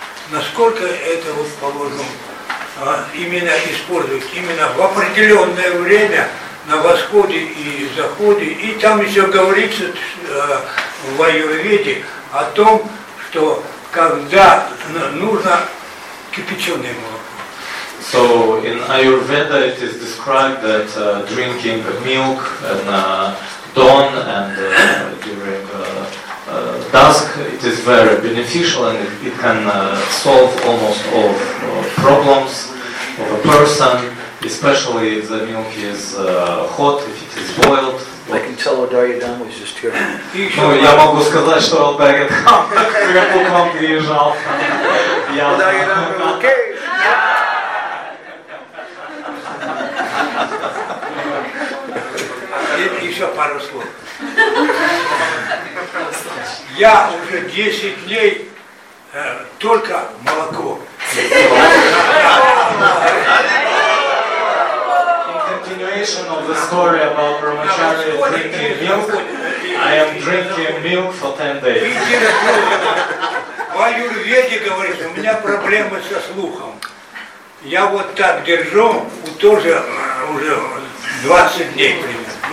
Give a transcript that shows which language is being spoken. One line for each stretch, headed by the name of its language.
Russian: Насколько это, вот, положим, именно использовать именно в определенное время, на восходе и заходе, и там еще говорится в Аюрведе о том, что когда нужно кипяченое молоко.
English: So in Ayurveda it is described that drinking milk at dawn and during dusk, it is very beneficial and it can solve almost all problems of a person, especially if the milk is hot, if it is boiled. I can tell Odarya Dham was just here.
Russian: No, я могу сказать, что Odarya Dham приехал к вам, приезжал.
English: Odarya Dham, okay.
Russian: Еще пару слов. Я уже 10 дней только молоко.
English: In continuation of the story about Brahmachari drinking milk, I am drinking milk for 10 days.
Russian: В Аюрведе говорит, у меня проблемы со слухом. Я вот так держу, тоже уже 20 дней примерно.